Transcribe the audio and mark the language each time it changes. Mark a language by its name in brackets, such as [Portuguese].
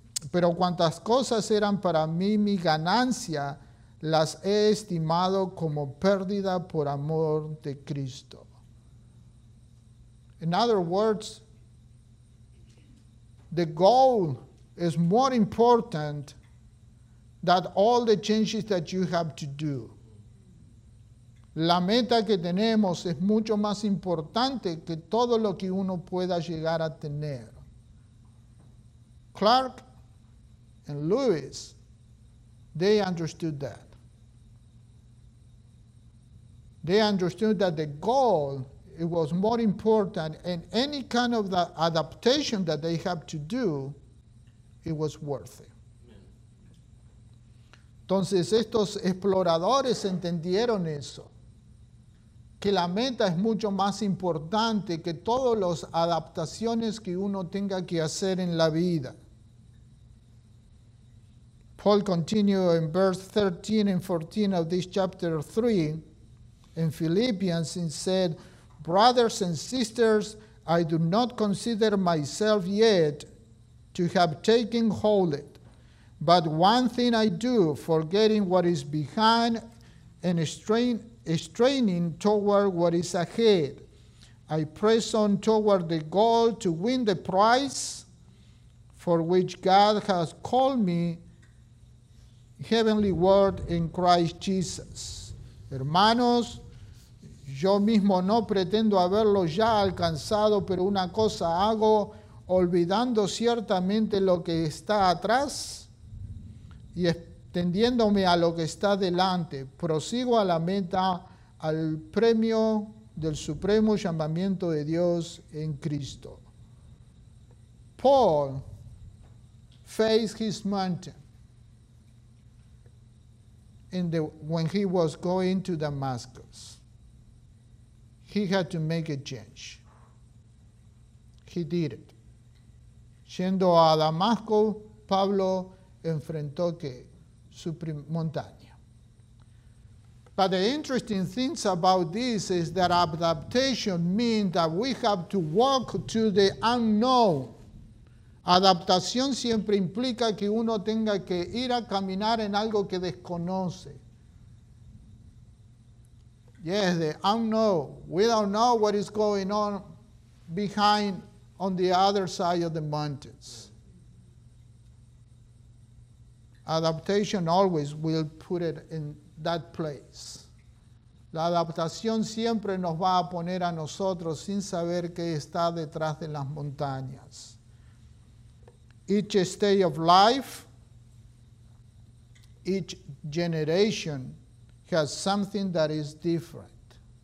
[Spanish] Pero cuantas cosas eran para mí mi ganancia, las he estimado como pérdida por amor de Cristo. [English] In other words, the goal is more important than all the changes that you have to do. [Spanish] La meta que tenemos es mucho más importante que todo lo que uno pueda llegar a tener. [English] Clark and Lewis, they understood that. They understood that the goal, it was more important, and any kind of the adaptation that they have to do, it was worth it. [Spanish] Entonces, estos exploradores entendieron eso, que la meta es mucho más importante que todas las adaptaciones que uno tenga que hacer en la vida. [English] Paul continued in verse 13 and 14 of this chapter 3 in Philippians and said, brothers and sisters, I do not consider myself yet to have taken hold it. But one thing I do, forgetting what is behind and straining toward what is ahead, I press on toward the goal to win the prize for which God has called me heavenly word in Christ Jesus. [Spanish] Hermanos, yo mismo no pretendo haberlo ya alcanzado, pero una cosa hago, olvidando ciertamente lo que está atrás y extendiéndome a lo que está delante, prosigo a la meta, al premio del supremo llamamiento de Dios en Cristo. [English] Paul faced his mountain when he was going to Damascus. He had to make a change. He did it. [Spanish] Yendo a Damasco, Pablo enfrentó que su montaña. [English] But the interesting things about this is that adaptation means that we have to walk to the unknown. [Spanish] Adaptación siempre implica que uno tenga que ir a caminar en algo que desconoce. [English] Yes, the unknown. We don't know what is going on behind on the other side of the mountains. Adaptation always will put it in that place. [Spanish] La adaptación siempre nos va a poner a nosotros sin saber qué está detrás de las montañas. [English] Each stage of life, each generation has something that is different.